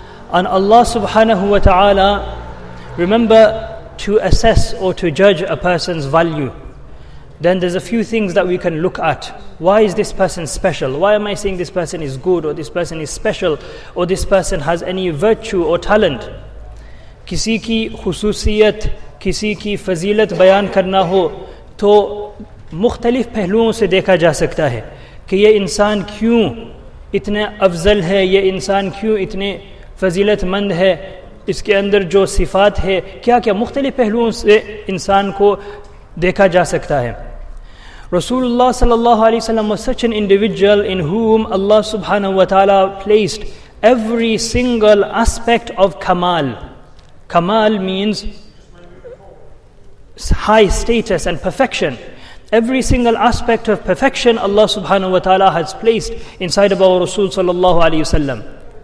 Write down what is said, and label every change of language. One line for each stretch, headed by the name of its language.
English: And Allah subhanahu wa ta'ala, remember, to assess or to judge a person's value, then there's a few things that we can look at. Why is this person special? Why am I saying this person is good, or this person is special, or this person has any virtue or talent?
Urdu: Kisi ki khususiyat, کسی کی فضیلت بیان کرنا ہو تو مختلف پہلوؤں سے دیکھا جا سکتا ہے کہ یہ انسان کیوں اتنے افضل ہے، یہ انسان کیوں اتنے فضیلت مند ہے، اس کے اندر جو صفات ہے کیا کیا، مختلف پہلوؤں سے انسان کو دیکھا جا سکتا ہے.
English: رسول اللہ صلی اللہ علیہ وسلم was such an individual in whom Allah سبحانہ وتعالی placed every single aspect of kamal. Kamal means high status and perfection. Every single aspect of perfection Allah subhanahu wa ta'ala has placed inside of our Rasul sallallahu alayhi wa sallam.